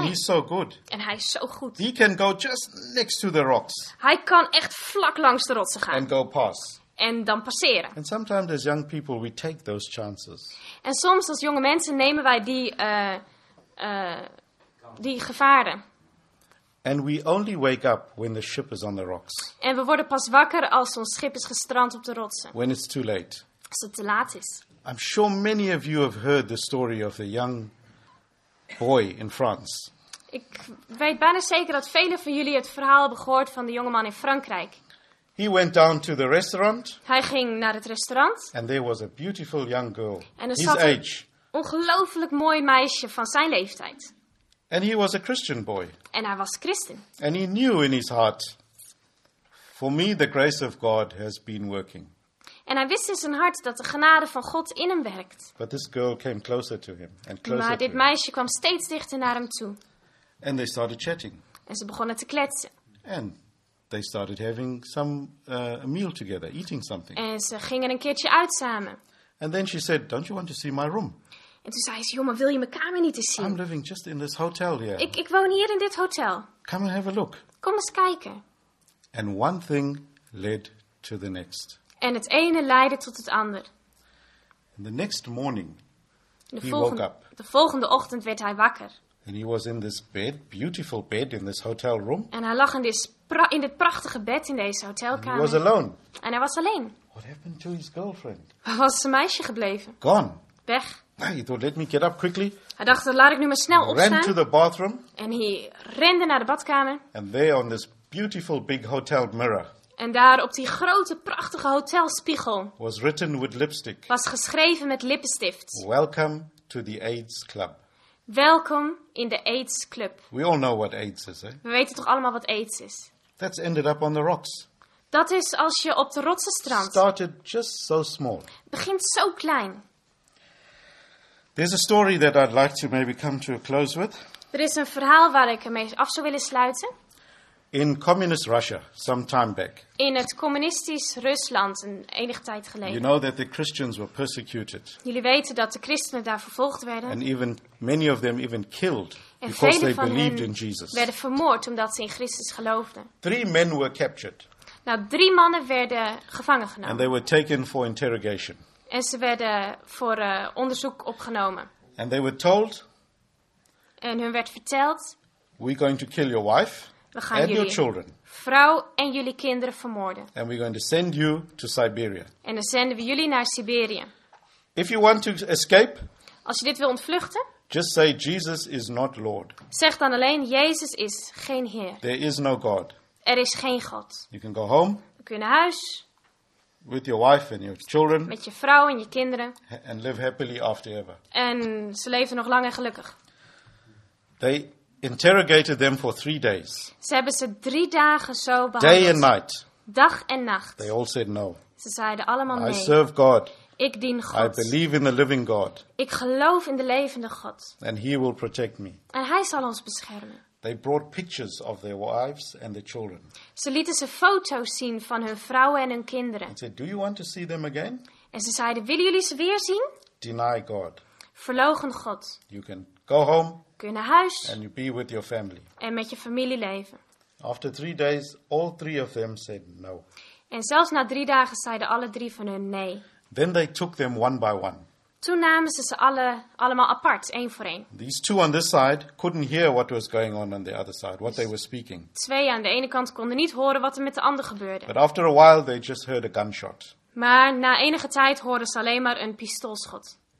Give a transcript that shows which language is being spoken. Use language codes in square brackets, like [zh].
[en] And he's so good. [nl] En hij is zo goed. [en] He can go just next to the rocks. [nl] Hij kan echt vlak langs de rotsen gaan. [en] And go past. [nl] En dan passeren. [en] And sometimes as young people we take those chances. [nl] En soms als jonge mensen nemen wij die die gevaren. [en] And we only wake up when the ship is on the rocks. [nl] En we worden pas wakker als ons schip is gestrand op de rotsen. [en] When it's too late. [nl] Als het te laat is. [en] I'm sure many of you have heard the story of a young boy in France. [nl] Ik weet bijna zeker dat velen van jullie het verhaal hebben gehoord van de jongeman in Frankrijk. [en] He went down to the restaurant. [nl] Hij ging naar het restaurant. [en] And there was a beautiful young girl. [nl] En er [en] his [nl] zat [en] age. [nl] Een ongelooflijk mooi meisje van zijn leeftijd. [en] And he was a Christian boy. [nl] En hij was christen. [en] And he knew in his heart, for me the grace of God has been working. [nl] En hij wist in zijn hart dat de genade van God in hem werkt. [en] But this girl came closer to him and closer. [nl] Maar dit meisje kwam steeds dichter naar hem toe. [en] And they started chatting. [nl] En ze begonnen te kletsen. [en] And they started having some a meal together, eating something. [nl] En ze gingen een keertje uit samen. [en] And then she said, "Don't you want to see my room?" [nl] En toen zei ze, joh, maar wil je mijn kamer niet eens zien? [en] I'm living just in this hotel here. [nl] Ik woon hier in dit hotel. [en] Come and have a look. [nl] Kom eens kijken. [en] And one thing led to the next. [nl] En het ene leidde tot het ander. [en] And the next morning, woke up. [nl] De volgende ochtend werd hij wakker. [en] And he was in this bed, beautiful bed in this hotel room. [nl] En hij lag in dit prachtige bed in deze hotelkamer. [en] And he was alone. [nl] En hij was alleen. [en] What happened to his girlfriend? [nl] Waar was zijn meisje gebleven? [en] Gone. [nl] Weg. [en] He thought, let me get up quickly. [nl] Hij dacht, laat ik nu maar snel opstaan. [en] Ran to the bathroom. [nl] En hij rende naar de badkamer. [en] And there on this beautiful big hotel mirror. [nl] En daar op die grote prachtige hotelspiegel. [en] Was written with lipstick. [nl] Was geschreven met lippenstift. [en] Welcome to the AIDS club. [nl] Welkom in de AIDS club. [en] We all know what AIDS is, eh? [nl] We weten toch allemaal wat AIDS is. [en] That's ended up on the rocks. [nl] Dat is als je op de rotsen strandt. [en] Started just so small. [nl] Begint zo klein. [en] There's a story that I'd like to maybe come to a close with. [nl] Er is een verhaal waar ik ermee af zou willen sluiten. [en] In communist Russia, some time back. [nl] In het communistisch Rusland, een enige tijd geleden. [en] You know that the Christians were persecuted. [nl] Jullie weten dat de christenen daar vervolgd werden. [en] And even many of them even killed [nl] en [en] because they believed in Jesus. [nl] Werden vermoord omdat ze in Christus geloofden. [en] Three men were captured. [nl] Nou, drie mannen werden gevangen genomen. [en] And they were taken for interrogation. [nl] En ze werden voor onderzoek opgenomen. [en] And they were told, [nl] en hun werd verteld. [en] We're going to kill your wife. [nl] We gaan [en] and your children. [nl] Vrouw en jullie kinderen vermoorden. [en] And we're going to send you to Siberia. [nl] En dan zenden we jullie naar Siberië. [en] If you want to escape. [nl] Als je dit wil ontvluchten. [en] Just say Jesus is not Lord. [nl] Zeg dan alleen Jezus is geen Heer. [en] There is no God. [nl] Er is geen God. [en] You can go home. [nl] We kunnen naar huis. [en] with your wife and your children. [nl] Met je vrouw en je kinderen. [en] And live happily after ever. [nl] En ze leefden nog lang en gelukkig. [en] They interrogated them for 3 days. [nl] Ze hebben ze 3 dagen zo behandeld. [en] Day and night. [nl] Dag en nacht. [en] They all said no. [nl] Ze zeiden allemaal nee. [en] I serve God. [nl] Ik dien God. [en] I believe in the living God. [nl] Ik geloof in de levende God. [en] And he will protect me. [nl] En hij zal ons beschermen. [en] They brought pictures of their wives and their children. [nl] Ze lieten ze foto's zien van hun vrouwen en hun kinderen. [en] And said, "Do you want to see them again?" [nl] En ze zeiden, willen jullie ze weer zien? [en] Deny God. [nl] Verloochen God. [en] You can go home. [nl] Kun je naar huis. [en] And you be with your family. [nl] En met je familie leven. [en] After 3 days, all 3 of them said no. [nl] En zelfs na 3 dagen zeiden alle 3 van hun nee. [en] Then they took them one by one. [nl] Toen namen ze allemaal apart, 1 voor 1. [en] These 2 on this side couldn't hear what was going on the other side, what they were speaking. [nl] 2 aan de ene kant konden niet horen wat er met de ander gebeurde. [en] But after a while they just heard a gunshot. [nl] Maar na enige tijd hoorden ze alleen maar een pistoolschot.